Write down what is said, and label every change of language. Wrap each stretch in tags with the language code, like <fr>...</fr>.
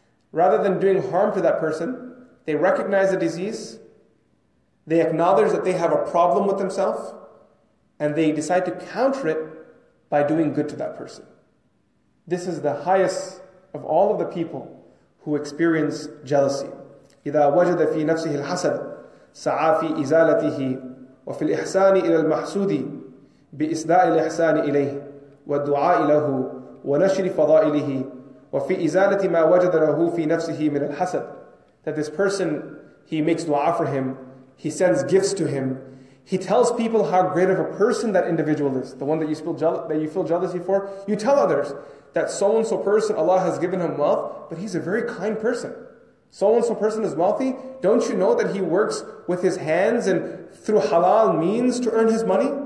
<en>Rather than doing harm to that person, they recognize the disease, they acknowledge that they have a problem with themselves, and they decide to counter it by doing good to that person. This is the highest of all of the people who experience jealousy.</en> <ar>إِذَا وَجَدَ فِي نَفْسِهِ الْحَسَدَ سَعَى فِي إِزَالَتِهِ وَفِي الْإِحْسَانِ إِلَى الْمَحْسُودِ بِإِسْدَاءِ الْإِحْسَانِ إِلَيْهِ وَالدُّعَاءِ لَهُ وَنَشْرِ فَضَائِلِهِ وَفِي إِزَالَةِ مَا وَجَدَ لَهُ فِي نَفْسِهِ مِنَ الْحَسَدِ.</ar> <en>That this person, he makes dua for him, he sends gifts to him, He tells people how great of a person that individual is, the one that you feel jealousy for. You tell others that so-and-so person, Allah has given him wealth, but he's a very kind person. So-and-so person is wealthy. Don't you know that he works with his hands and through halal means to earn his money?</en>